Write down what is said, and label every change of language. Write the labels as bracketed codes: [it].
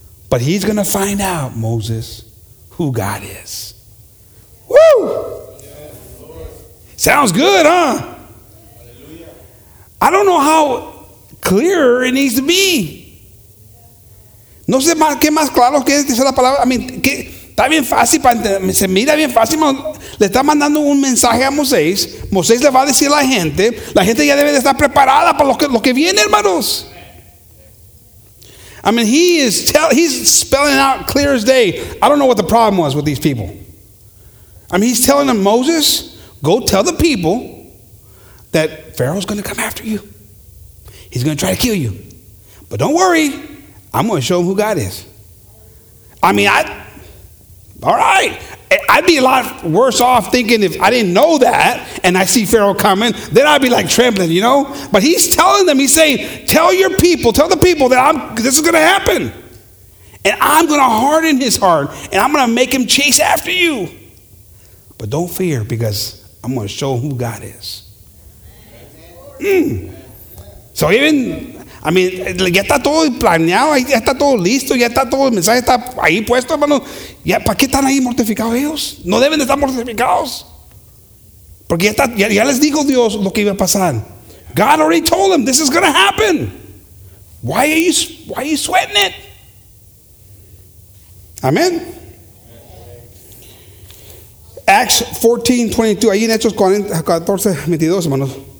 [en] But he's going to find out, Moses, who God is. Woo! Sounds good, huh? Hallelujah. I don't know how clear it needs to be. [es] No sé más qué más claro que dice la palabra. [en] I mean, [es] que está bien fácil para se mira bien fácil. Le está mandando un mensaje a Moisés. Moisés le va a decir a la gente ya debe de estar preparada para lo que viene, hermanos. [en] I mean, he's spelling out clear as day. I don't know what the problem was with these people. I mean, he's telling them, Moses, go tell the people that Pharaoh's going to come after you. He's going to try to kill you. But don't worry. I'm going to show him who God is. I mean, I'd be a lot worse off thinking if I didn't know that and I see Pharaoh coming, then I'd be like trembling, you know? But he's telling them, he's saying, tell the people that this is going to happen. And I'm going to harden his heart and I'm going to make him chase after you. But don't fear, because I'm going to show who God is. [es] So ya está todo planeado, ya está todo listo, ya está todo el mensaje, está ahí puesto, hermano. ¿Ya, para qué están ahí mortificados ellos? No deben estar mortificados. Porque ya les dijo Dios lo que iba a pasar. [en] God already told them, this is going to happen. Why are you sweating it? Amen. [es] Acts 14:22, ahí en Hechos 14:22, hermanos.